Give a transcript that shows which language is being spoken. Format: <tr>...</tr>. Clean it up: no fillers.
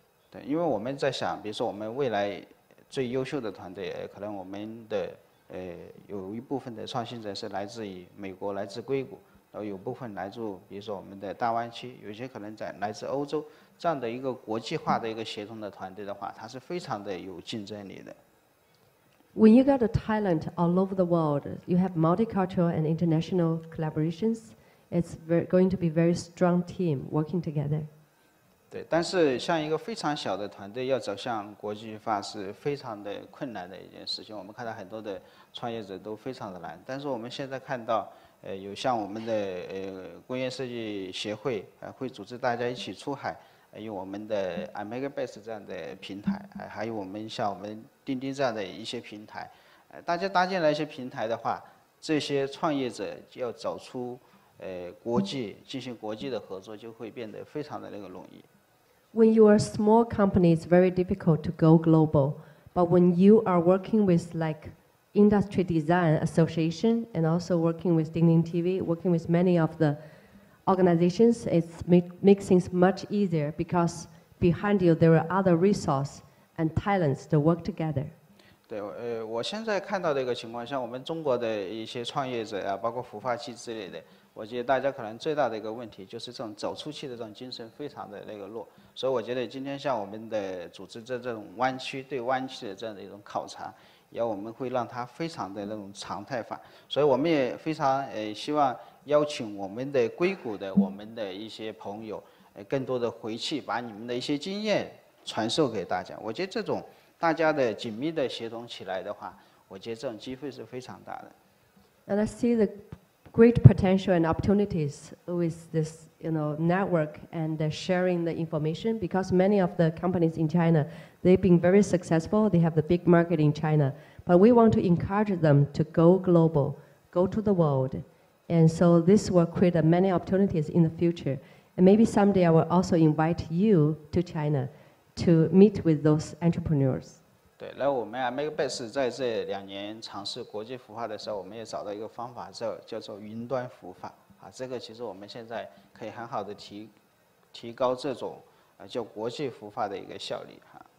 <zh>对，因为我们在想，比如说我们未来最优秀的团队，可能我们的有一部分的创新者是来自于美国，来自硅谷，然后有部分来自比如说我们的大湾区，有些可能在来自欧洲，这样的一个国际化的一个协同的团队的话，它是非常的有竞争力的。</zh> <en>When you got a talent all over the world, you have multicultural and international collaborations. It's going to be very strong team working together.</en> <zh>对，但是像一个非常小的团队要走向国际化是非常的困难的一件事情。我们看到很多的创业者都非常的难，但是我们现在看到有像我们的工业设计协会，会组织大家一起出海，还有我们的 AmericaBase 这样的平台，还有我们像我们钉钉这样的一些平台，大家搭建了一些平台的话，这些创业者要走出国际，进行国际的合作就会变得非常的那个容易。</zh> <en>When you are small company, it's very difficult to go global. But when you are working with like Industry Design Association and also working with Dingding TV, working with many of the organizations, it makes things much easier because behind you there are other resources and talents to work together.</en> <zh>对，我现在看到的一个情况，像我们中国的一些创业者啊，包括孵化器之类的。我觉得大家可能最大的一个问题就是这种走出去的这种精神非常的那个弱，所以我觉得今天像我们的组织这种湾区对湾区的这样的一种考察，要我们会让它非常的那种常态化，所以我们也非常希望邀请我们的硅谷的我们的一些朋友更多的回去把你们的一些经验传授给大家。我觉得这种大家的紧密的协同起来的话，我觉得这种机会是非常大的。</zh> <en>And I see theGreat potential and opportunities with this, you know, network and sharing the information. Because many of the companies in China, they've been very successful. They have the big market in China. But we want to encourage them to go global, go to the world. And so this will create many opportunities in the future. And maybe someday I will also invite you to China to meet with those entrepreneurs.</en> <zh>对，来我们 AmericaBase 在这两年尝试国际孵化的时候，我们也找到一个方法，叫做云端孵化啊。这个其实我们现在可以很好的提高这种叫国际孵化的一个效率哈。</zh>